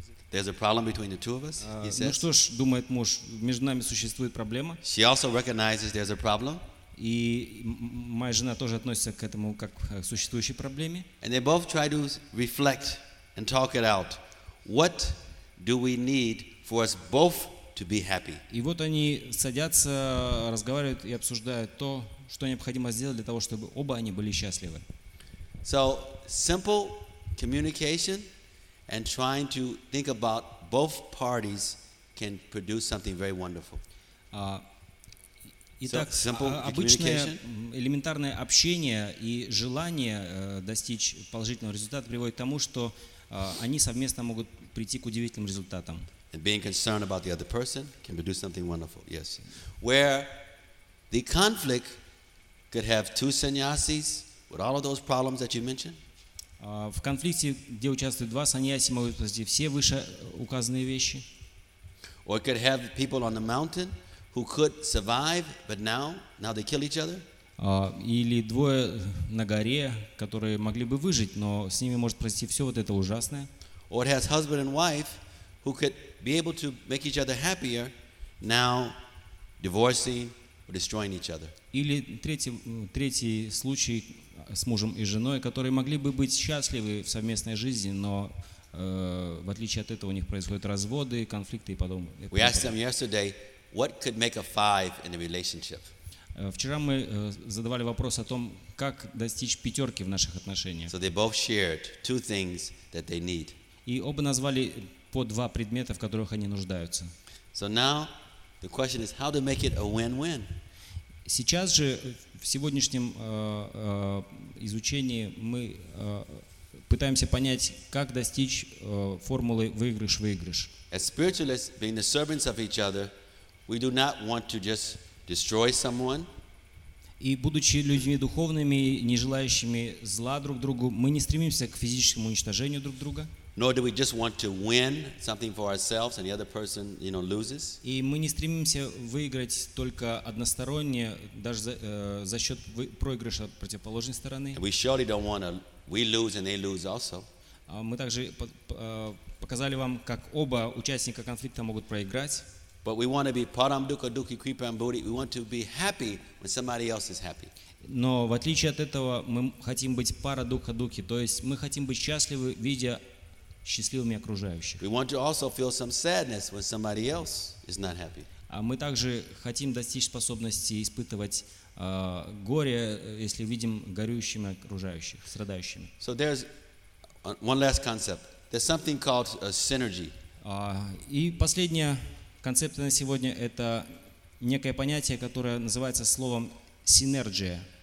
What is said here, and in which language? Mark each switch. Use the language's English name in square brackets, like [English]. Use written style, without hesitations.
[English] There's a problem between the two of us, he says. [Russian] Ну что ж, думает муж, между нами существует проблема. [English] She also recognizes there's a problem. [Russian] И моя жена тоже относится к этому как к существующей проблеме. [English] And they both try to reflect and talk it out. What do we need for us both to be happy? [Russian] И вот они садятся, разговаривают и обсуждают то, что необходимо сделать для того, чтобы оба они были счастливы. [English] So, simple communication and trying to think about both parties can produce something very wonderful. [Russian] Итак, обычное элементарное общение и желание достичь положительного результата приводит к тому, что они совместно могут прийти к удивительным результатам. [English] And being concerned about the other person can produce something wonderful. Yes. Where the conflict could have two sannyasis with all of those problems that you mentioned. [Russian] В конфликте, где участвуют два саньяси, могут произойти все выше указанные вещи. [English] Or could have people on the mountain who could survive, but now they kill each other. [Russian] Или двое на горе, которые могли бы выжить, но с ними может произойти все вот это ужасное. [English] Or has husband and wife who could be able to make each other happier, now divorcing or destroying each other. [Russian] Или третий случай с мужем и женой, которые могли бы быть счастливы в совместной жизни, но в отличие от этого у них происходят разводы, конфликты и подобное. [English] We asked them yesterday, what could make a five in a relationship? [Russian] Вчера мы задавали вопрос о том, как достичь пятерки в наших отношениях. [English] So they both shared two things that they need. [Russian] И оба назвали по два предмета, в которых они нуждаются. [English] So now the question is, how to make it a win-win? [Russian] Сейчас же в сегодняшнем изучении мы пытаемся понять, как достичь формулы выигрыш-выигрыш. [English] As spiritualists, being the servants of each other, we do not want to just destroy someone. [Russian] И будучи людьми духовными, не желающими зла друг другу, мы не стремимся к физическому уничтожению друг друга. [English] Nor do we just want to win something for ourselves and the other person, you know, loses. [Russian] И мы не стремимся выиграть только односторонне, даже за счет проигрыша противоположной стороны. [English] And we surely don't want to. We lose and they lose also. [Russian] Мы также показали вам, как оба участника конфликта могут проиграть. [English] But we want to be param dukha dukhi kripam bodhi. We want to be happy when somebody else is happy. [Russian] Но в отличие от этого мы хотим быть пара дукха дукхи, то есть мы хотим быть счастливы, видя счастливыми окружающими. [English] We want to also feel some sadness when somebody else is not happy. [Russian] А мы также хотим достичь способности испытывать горе, если видим горюющими окружающих, страдающими. [English] So there's one last concept. There's something called a synergy. [Russian] И последняя концепция на сегодня — это некое понятие, которое называется словом синергия.